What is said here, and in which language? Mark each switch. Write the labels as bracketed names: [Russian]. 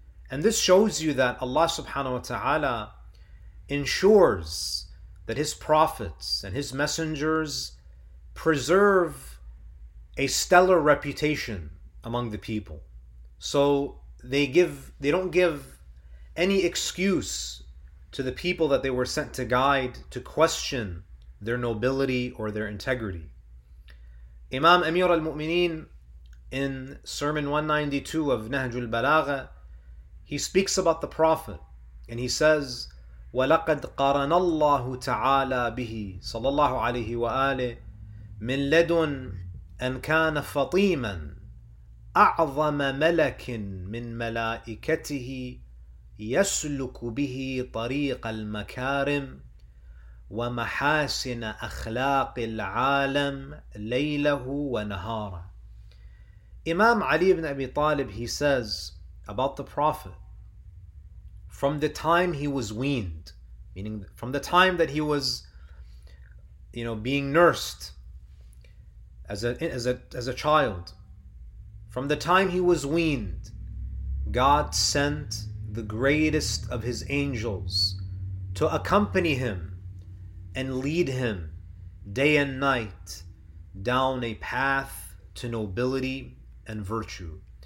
[English] And this shows you that Allah subhanahu wa ta'ala ensures that his prophets and his messengers preserve a stellar reputation among the people. So they don't give any excuse to the people that they were sent to guide to question their nobility or their integrity. Imam Amir al-Mu'mineen, in Sermon 192 of Nahj al-Balagha, he speaks about the Prophet and he says, [Arabic] وَلَقَدْ قَرَنَ اللَّهُ تَعَالَى بِهِ صَلَى اللَّهُ عَلَيْهِ وَآلِهِ مِنْ لَدُنْ أَنْ كَانَ فَطِيمًا أَعْظَمَ مَلَكٍ مِنْ مَلَائِكَتِهِ يَسْلُكُ بِهِ طَرِيقَ الْمَكَارِمِ وَمَحَاسِنَ أَخْلَاقِ الْعَالَمِ لَيْلَهُ وَنَهَارًا. [English] Imam Ali ibn Abi Talib, he says about the Prophet, from the time he was weaned, meaning from the time that he was, you know, being nursed as a child, from the time he was weaned, God sent the greatest of his angels to accompany him and lead him day and night down a path to nobility and virtue.